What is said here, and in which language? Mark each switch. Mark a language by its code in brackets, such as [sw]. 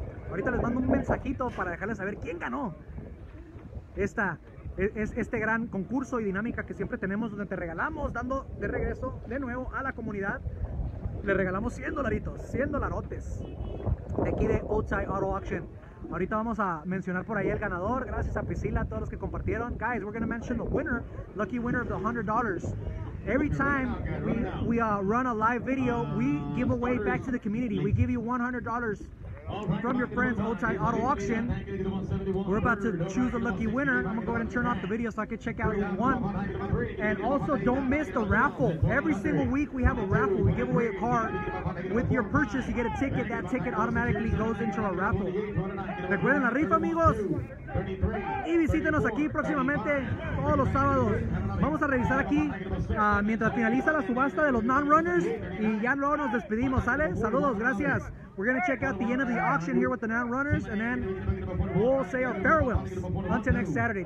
[es] Ahorita les mando un mensajito para dejarles saber quién ganó este gran concurso y dinámica que siempre tenemos, donde te regalamos, dando de regreso de nuevo a la comunidad, le regalamos $100 de aquí de Outside Auto Auction. Ahorita vamos a mencionar por ahí el ganador. Gracias a Priscila, a todos los que compartieron. [en] Guys, we're going to mention the winner, lucky winner of the $100. Every time we run a live video, we give away back to the community. We give you $100 from your friends, Outside Auto Auction. We're about to choose a lucky winner. I'm gonna go ahead and turn off the video so I can check out who won. And also, don't miss the raffle. Every single week we have a raffle. We give away a car. With your purchase, you get a ticket. That ticket automatically goes into a raffle. [es] Recuerden la rifa, amigos. Y visítenos aquí próximamente todos los sábados. Vamos a revisar aquí mientras finaliza la subasta de los non-runners. Y ya luego nos despedimos, ¿sale? Saludos, gracias. [en] We're going to check out the end of the auction here with the non-runners, and then we'll say our farewells until next Saturday.